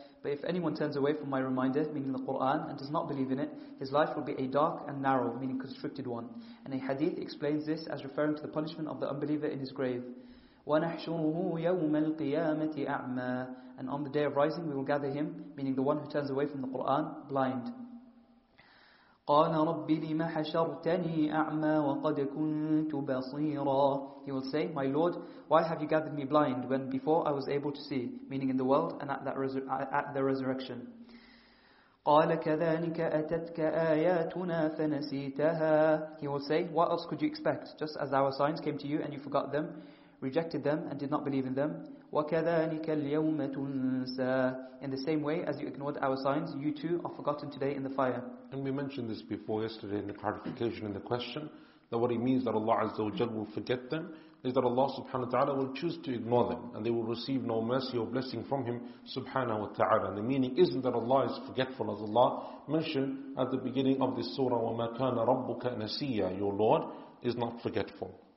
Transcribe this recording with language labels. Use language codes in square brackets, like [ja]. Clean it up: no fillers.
[en] But if anyone turns away from my reminder, meaning the Qur'an, and does not believe in it, his life will be a dark and narrow, meaning constricted one. And a hadith explains this as referring to the punishment of the unbeliever in his grave. [ar] وَنَحْشُرُهُ يَوْمَ الْقِيَامَةِ أَعْمَى. [en] And on the day of rising we will gather him, meaning the one who turns away from the Qur'an, blind. [ar] قال ربي لما حشرتني أعمى وقد كنت بصيرا. [en] He will say, my Lord, why have you gathered me blind when before I was able to see, meaning in the world and at the resurrection. [ar] قال كذلك أتتك آياتنا فنسيتها. [en] He will say, what else could you expect? Just as our signs came to you and you forgot them, rejected them and did not believe in them. [ar] وكذلك اليوم تنسى. [en] In the same way as you ignored our signs, you too are forgotten today in the fire. And we mentioned this before yesterday in the clarification in the question, that what he means that Allah Azza wa Jal will forget them is that Allah subhanahu wa ta'ala will choose to ignore them and they will receive no mercy or blessing from him subhanahu wa ta'ala. And the meaning isn't that Allah is forgetful, as Allah mentioned at the beginning of this surah, [ar] وَمَا كَانَ رَبُّكَ نَسِيًّا, [en] your Lord is not forgetful.